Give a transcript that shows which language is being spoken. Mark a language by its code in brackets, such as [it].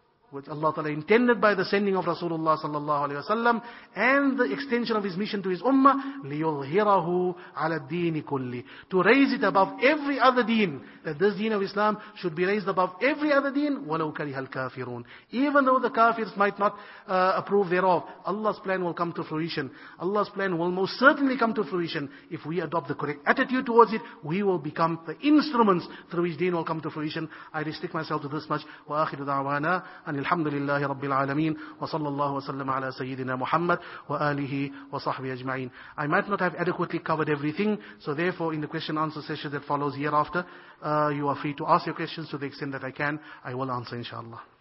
[en] Which Allah Ta'ala intended by the sending of Rasulullah sallallahu alayhi wa sallam and the extension of his mission to his ummah, [ar] لِيُظْهِرَهُ عَلَى الدِّينِ كُلِّ, [en] to raise it above every other deen, that this deen of Islam should be raised above every other deen, [ar] وَلَوْ كَرِهَ الْكَافِرُونَ, [en] even though the kafirs might not approve thereof, Allah's plan will come to fruition. Allah's plan will most certainly come to fruition. If we adopt the correct attitude towards it, we will become the instruments through which deen will come to fruition. I restrict myself to this much. [ar] وَآخِرُ دَعْوَانَا أن الحمد لله رب العالمين وصلى الله وسلم على سيدنا محمد وآله وصحبه أجمعين. [en] I might not have adequately covered everything, so therefore in the question answer session that follows hereafter, you are free to ask your questions to the extent that I can. I will answer inshallah.